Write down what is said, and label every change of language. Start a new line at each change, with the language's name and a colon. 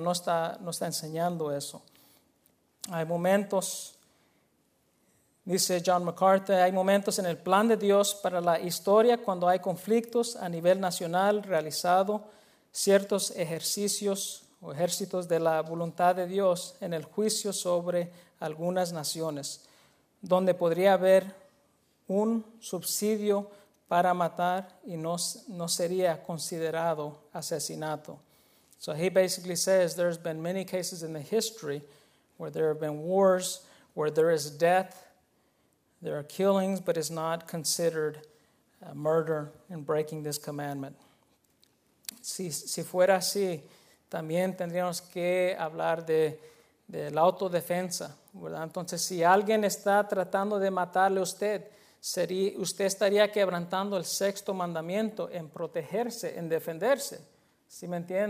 Spanish: No está enseñando eso. Hay momentos, dice John MacArthur, hay momentos en el plan de Dios para la historia cuando hay conflictos a nivel nacional realizado ciertos ejercicios o ejércitos de la voluntad de Dios en el juicio sobre algunas naciones, donde podría haber un subsidio para matar y no sería considerado asesinato.
English: So he basically says there's been many cases in the history where there have been wars, where there is death, there are killings, but it's not considered a murder in breaking this commandment.
Spanish: Si fuera así, también tendríamos que hablar de la autodefensa, ¿verdad? Entonces, si alguien está tratando de matarle a usted, usted estaría quebrantando el sexto mandamiento en protegerse, en defenderse. ¿Sí me entiende?